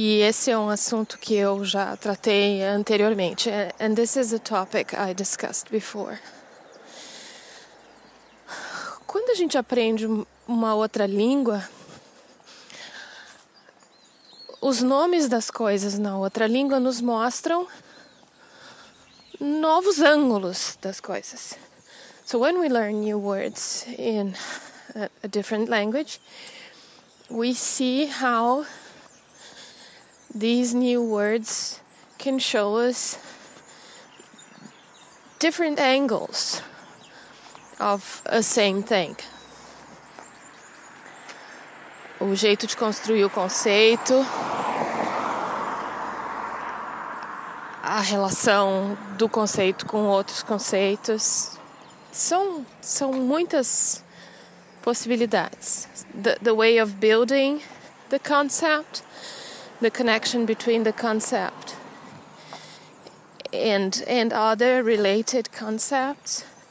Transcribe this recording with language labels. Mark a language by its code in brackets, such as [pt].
[pt] E esse é um assunto que eu já tratei anteriormente. [en] And this is a topic I discussed before. [pt] Quando a gente aprende uma outra língua, os nomes das coisas na outra língua nos mostram novos ângulos das coisas. [en] So when we learn new words in a different language, we see how these new words can show us different angles of a same thing. [pt] O jeito de construir o conceito, a relação do conceito com outros conceitos. São muitas possibilidades. [en] The way of building the concept, the connection between the concept and other related concepts.